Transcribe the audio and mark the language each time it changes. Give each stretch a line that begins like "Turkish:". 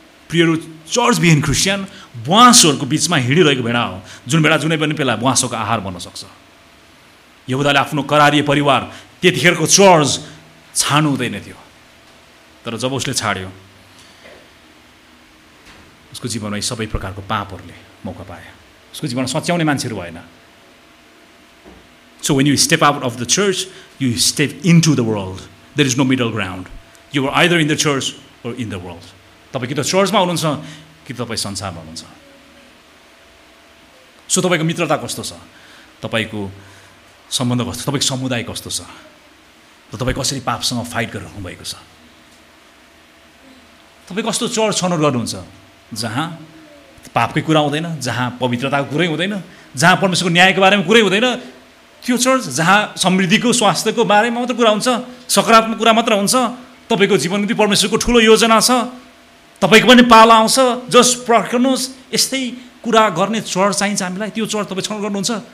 Nepali: प्रियहरू, church बिहीन Christian बुवासोहरूको बिचमा हिँडिरहेको भेडा हो, जुन भेडा जुनै पनि बेला बुवासोको आहार बन्न सक्छ। यहुदाले आफ्नो करारिय परिवार त्यतिखेरको चर्च छाड्नु हुँदैन थियो, तर जब उसले छाड्यो उसको जीवनमा यी सबै प्रकारको पापहरूले मौका पाए, उसको जीवनमा सच्याउने मान्छेहरू भएन।
English: So when you step out of the church, you step into the world, there is no middle ground, you are either in the church or in the world.
Nepali: तपाईँ कि त चर्चमा हुनुहुन्छ कि तपाईँ संसारमा हुनुहुन्छ। सो तपाईँको मित्रता कस्तो छ, तपाईँको सम्बन्ध कस्तो, तपाईँको समुदाय कस्तो छ, र तपाईँ कसरी पापसँग फाइट गरिरहनु भएको छ, तपाईँ कस्तो चर्च छनौट गर्नुहुन्छ जहाँ पापकै कुरा हुँदैन, जहाँ पवित्रताको कुरै हुँदैन, जहाँ परमेश्वरको न्यायको बारेमा कुरै हुँदैन त्यो चर्च, जहाँ समृद्धिको स्वास्थ्यको बारेमा मात्र कुरा हुन्छ, सकारात्मक कुरा मात्र हुन्छ, तपाईँको जीवनको निम्ति परमेश्वरको ठुलो योजना छ, तपाईँको पनि पाला आउँछ, जस पर्खनुहोस्, यस्तै कुरा गर्ने चर्च चाहिन्छ हामीलाई, त्यो चर्च तपाईँ छनौट गर्नुहुन्छ।